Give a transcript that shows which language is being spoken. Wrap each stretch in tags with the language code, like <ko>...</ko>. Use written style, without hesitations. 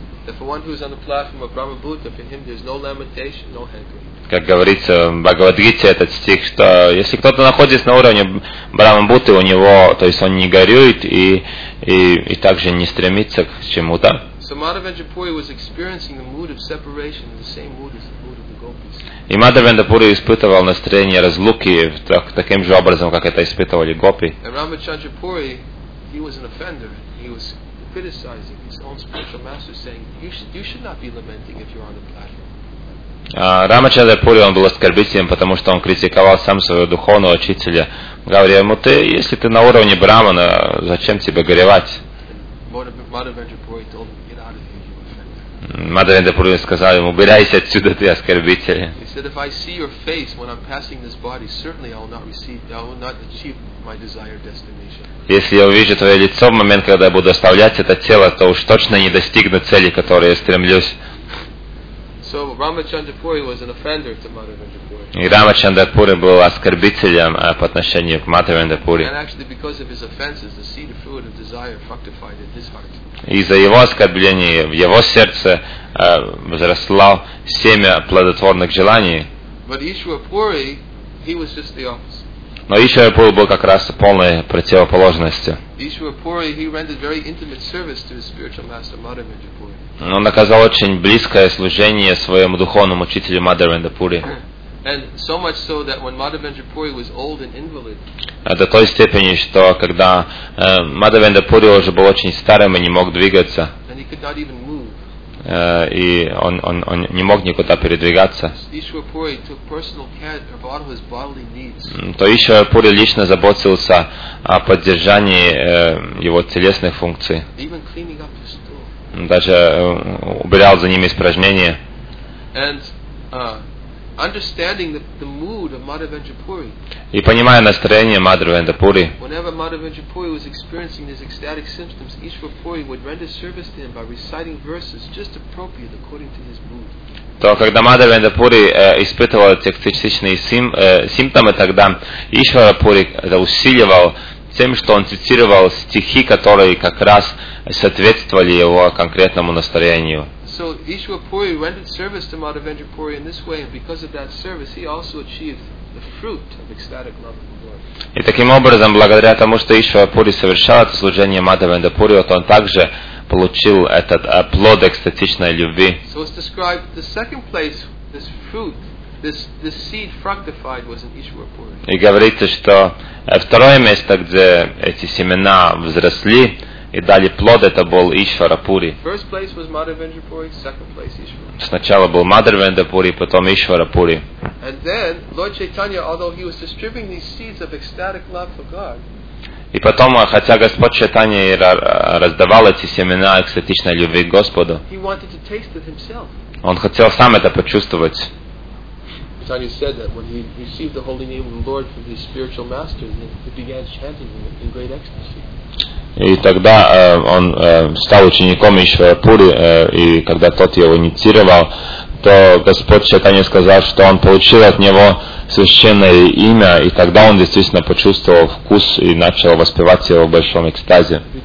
<en>That for one who is on the platform of Brahma Bhuta, for him there is no lamentation, no hankering.</en> <ru>Как говорится в Бхагавад Гите этот стих, что если кто-то находится на уровне Брахма Бхуты, у него, то есть он не горюет и также не стремится к чему-то.</ru> <en>So Madhavendra Puri was experiencing the mood of separation in the same mood as the mood of the gopis.</en> <ru>И Мадхавендра Пури испытывал настроение разлуки таким же образом, как это испытывали гопи.</ru> <en>And Ramachandra Puri, he was an offender. He was criticizing his own spiritual master, saying, "You should not be lamenting if you're on the platform."</en> <ru>Рамачандра Пури, он был оскорбителем, потому что он критиковал сам своего духовного учителя. Говорил ему, если ты на уровне Брахмана, зачем тебе горевать? Мадхавендра Пури сказал ему, убирайся отсюда, ты оскорбитель.</ru> <en>He said, if I see your face when I'm passing this body, certainly I will not achieve my desired destination.</en> <ru>Если я увижу твое лицо в момент, когда я буду оставлять это тело, то уж точно не достигну цели, к которой я стремлюсь.</ru> <en>So Ramachandra Puri was an offender to Madhavendra Puri.</en> <ru>И Рамачандра Пури был оскорбителем по отношению к Мадхавендра Пури.</ru> <en>And actually, because of his offenses, the seed of food of desire fructified in his heart.</en> <ru>Из-за его оскорблений в его сердце возросло семя плодотворных желаний.</ru> <en>But Ishwar Puri, he was just the opposite.</en> <ru>Но Ишвар Пури был как раз полной противоположностью.</ru> <en>Ishwar Puri, he rendered very intimate service to his spiritual master Madhavendra Puri.</en> <ru>Он оказал очень близкое служение своему духовному учителю Мадхавендра Пури.</ru> <en>And so much so that when Madhavendra Puri was old and invalid,</en> <ru>до той степени, что когда Мадхавендра Пури уже был очень старым и не мог двигаться,</ru> <en>and he could not even move,</en> <ru>и он не мог никуда передвигаться,</ru> <en>Ishwar Puri took personal care of all his bodily needs,</en> <ru>то Ishwar Puri лично заботился о поддержании его телесных функций.</ru> <en>Even cleaning up his stool.</en> <ru>Даже убирал за ними испражнения.</ru> <en>And, understanding the mood of Madhavendra Puri.</en> <ru>И понимая настроение Мадхавендра Пури.</ru> <en>Whenever Madhavendra Puri was experiencing his ecstatic symptoms, Ishwar Puri would render service to him by reciting verses just appropriate according to his mood.</en> <ru>То когда Мадхавендра Пури испытывал эти экстатичные симптомы, тогда Ишвара Пури это усиливал тем, что он цитировал стихи, которые как раз соответствовали его конкретному настроению.</ru> <en>So Ishwar Puri rendered service to Madhavendra Puri in this way, and because of that service, he also achieved the fruit of ecstatic love of the Lord.</en> <ru>И таким образом, благодаря тому, что Ишвар Пури совершал это служение Мадхавендра Пури, вот он также получил этот плод экстатичной любви.</ru> <en>So it's described the second place this fruit, this seed fructified was in Ishwar Puri.</en> <ru>И говорится, что второе место, где эти семена взросли и дали плод, это был Ишвара Пури.</ru> <en>First place was Madhavendra Puri, second place Ishwara Puri.</en> <ru>Сначала был Мадхавендра Пури, потом Ишвара Пури.</ru> <en>And then Lord Chaitanya, although he was distributing these seeds of ecstatic love for God.</en> <ru>И потом, хотя Господь Чайтанья раздавал эти семена экстатичной любви к Господу,</ru> <en>he wanted to taste it himself.</en> <ru>Он хотел сам это почувствовать.</ru> <en>Chaitanya said that when he received the holy name of the Lord from his spiritual master, he began chanting in great ecstasy.</en> <ru>И тогда он стал учеником Ишвара Пури, и когда тот его инициировал, то Господь Чайтанья сказал, что он получил от него священное имя, и тогда он действительно почувствовал вкус и начал воспевать его в большом экстазе.</ru>